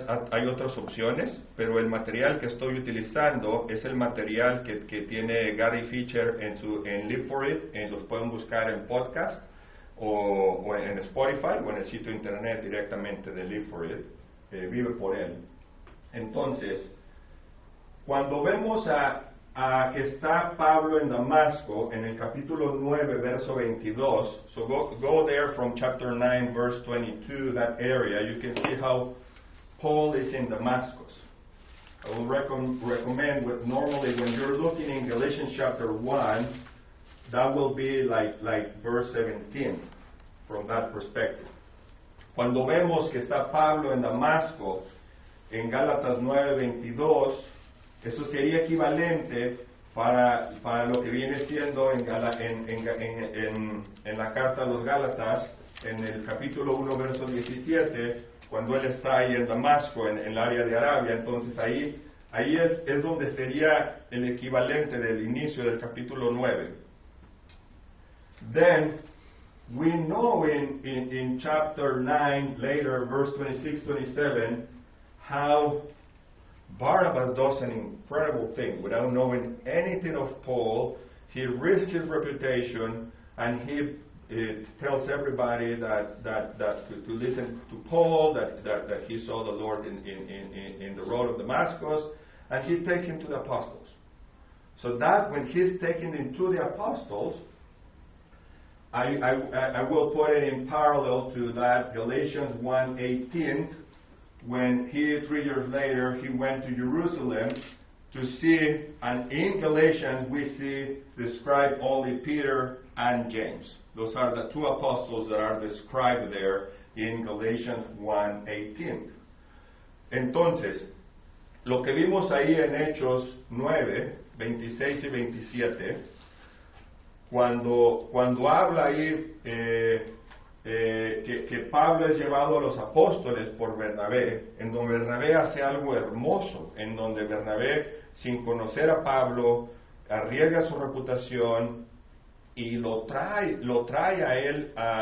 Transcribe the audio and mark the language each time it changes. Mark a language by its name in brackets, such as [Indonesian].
[Spanish] Hay otras opciones, pero el material que estoy utilizando es el material que tiene Gary Fisher en Live For It, los pueden buscar en podcast o en Spotify o en el sitio internet directamente de Live For It, Vive Por Él. Entonces, cuando vemos a que está Pablo en Damasco, en el capítulo 9, verso 22. [English] So go there from chapter 9, verse 22, that area. You can see how Paul is in Damascus. I will recommend, with normally when you're looking in Galatians chapter 1, that will be like verse 17 from that perspective. [Spanish] Cuando vemos que está Pablo en Damasco, en Gálatas 9, 22, eso sería equivalente para lo que viene siendo en la carta a los Gálatas, en el capítulo 1, verso 17, cuando él está ahí en Damasco, en el área de Arabia. Entonces ahí es donde sería el equivalente del inicio del capítulo 9. [English] Then, we know in chapter 9, later, verse 26-27, how Barnabas does an incredible thing. Without knowing anything of Paul, he risks his reputation and he tells everybody that to listen to Paul, that he saw the Lord in the road of Damascus, and he takes him to the apostles. So that when he's taken him to the apostles, I will put it in parallel to that Galatians 1:18. When he, 3 years later, he went to Jerusalem to see, and in Galatians we see described only Peter and James. Those are the two apostles that are described there in Galatians 1:18. [Spanish] Entonces, lo que vimos ahí en Hechos 9, 26 y 27, cuando habla ahí que Pablo es llevado a los apóstoles por Bernabé, en donde Bernabé hace algo hermoso, en donde Bernabé, sin conocer a Pablo, arriesga su reputación y lo trae a él